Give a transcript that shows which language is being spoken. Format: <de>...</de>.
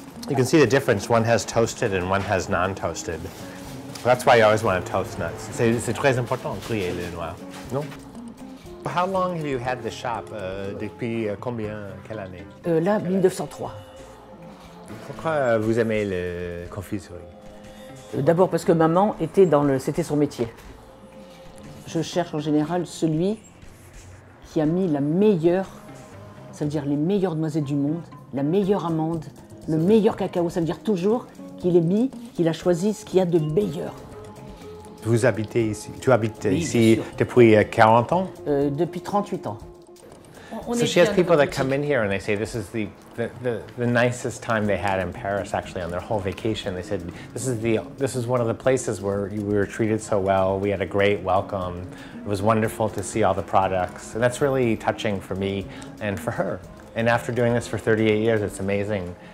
<en>You can see the difference. One has toasted and one has non-toasted. That's why you always want to toast nuts.</en> <fr>C'est très important de griller les noix. Non?</fr> <en>How long have you had the shop?</en> <fr>Depuis combien? Quelle année? Là, 1903. Pourquoi vous aimez les confiseries? D'abord parce que maman était dans le... c'était son métier. Je cherche en général celui qui a mis la meilleure, ça veut dire les meilleures noisettes du monde, la meilleure amande, le meilleur cacao, ça veut dire toujours qu'il ait mis, qu'il a choisi ce qu'il y a de meilleur. Vous habitez ici, tu habites ici depuis 40 ans? Depuis 38 ans.</fr> <en>So she has people that come in here and they say this is the nicest time they had in Paris, actually, on their whole vacation. They said this is one of the places where we were treated so well. We had a great welcome. It was wonderful to see all the products. And that's really touching for me and for her. And after doing this for 38 years, it's amazing.</en>